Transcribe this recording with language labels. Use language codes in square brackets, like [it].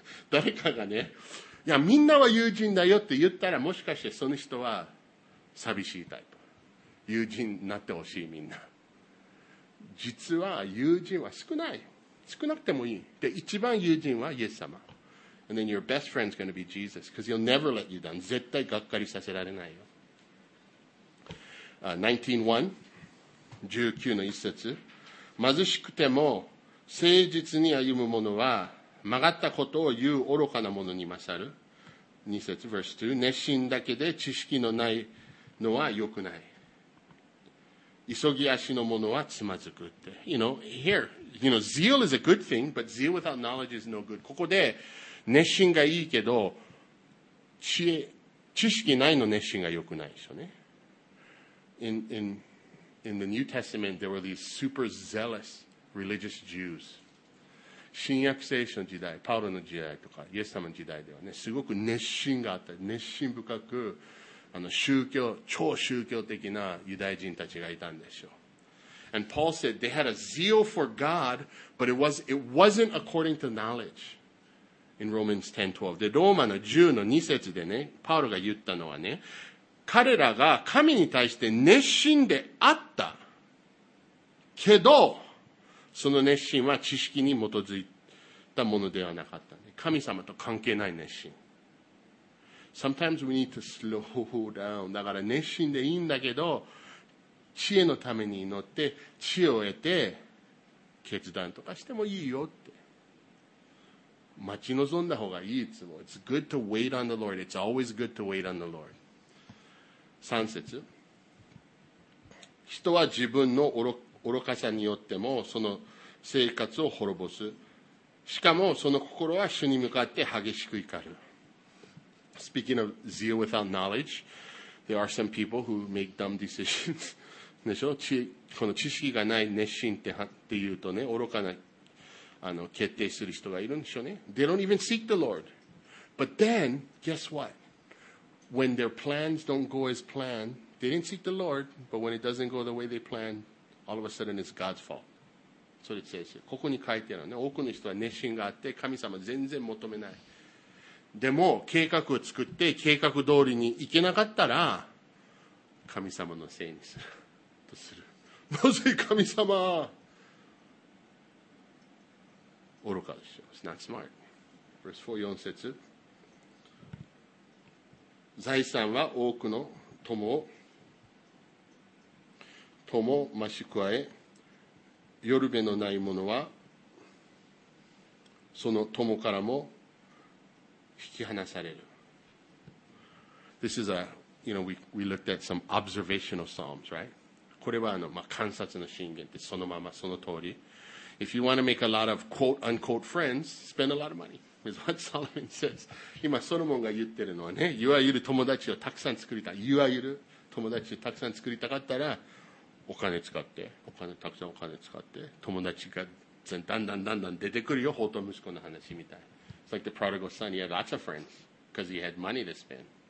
[ja] 誰かがね、いやみんなは友人だよって言ったら、もしかしてその人は寂しいタイプ。友人になってほしいみんな。実は友人は少ない。少なくてもいい。で、一番友人はイエス様。 [en] And then your best friend's going to be Jesus, because he'll never let you down. [ja] 絶対がっかりさせられないよ。 19:1 19の一節、貧しくても誠実に歩む者は曲がったことを言う愚かな者に勝る。 2節 [en] verse 2、 [ja] 熱心だけで知識のないのは良くない。急ぎ足の者はつまずくって。 [en] You know, here, you know, zeal is a good thing, but zeal without knowledge is no good. [ja] ここで熱心がいいけど知識ないの熱心が良くないでしょうね。 [en] In the New Testament, there were these super zealous religious Jews. [ja] 新約聖書の時代、パウロの時代とか、イエス様の時代ではね、すごく熱心があった。熱心深く、超宗教的なユダヤ人たちがいたんでしょう。 [en] And Paul said they had a zeal for God, but it wasn't according to knowledge. In Romans 10:12. [ja] で、ローマの10の2節でね、パウロが言ったのはね、彼らが神に対して熱心であったけど、その熱心は知識に基づいたものではなかった。神様と関係ない熱心。 [en] Sometimes we need to slow down. [ja] だから熱心でいいんだけど、知恵のために祈って、知恵を得て、決断とかしてもいいよって。待ち望んだ方がいいつも。 [en] It's good to wait on the Lord. It's always good to wait on the Lord. [ja] 3節、人は自分の愚かさによってもその生活を滅ぼす。しかもその心は主に向かって激しく怒る。 [en] Speaking of zeal without knowledge, there are some people who make dumb decisions. [ja] でしょ？この知識がない熱心って言うとね、愚かな決定する人がいるんでしょうね。 [en] They don't even seek the Lord. But then, guess what? When their plans don't go as planned, they didn't seek the Lord, but when it doesn't go the way they planned, all of a sudden it's God's fault. So it says here. [ja] ここに書いてあるね。多くの人は熱心があって、神様全然求めない。でも計画を作って計画通りに行けなかったら神様のせいにするとする。なぜ神様愚かでしょう。 [en] It's not smart. Verse 4, [ja] 4節、財産は多くの友増し加え、よるべのない者はその友からも引き離される。 [en] This is a, you know, we looked at some observational psalms, right? [ja] これはまあ、観察の箴言ってそのままその通り。 [en] If you want to make a lot of quote unquote friends, spend a lot of money, is what Solomon says. [ja] 今ソロモンが言ってるのはね、いわゆる友達をたくさん作りたい、いわゆる友達をたくさん作りたかったらお金使って、お金たくさんお金使って、友達が全だんだんだんだん出てくるよ、ほうとう息子の話みたい。 [en] It's like the prodigal son, he had lots of friends because he had money to spend.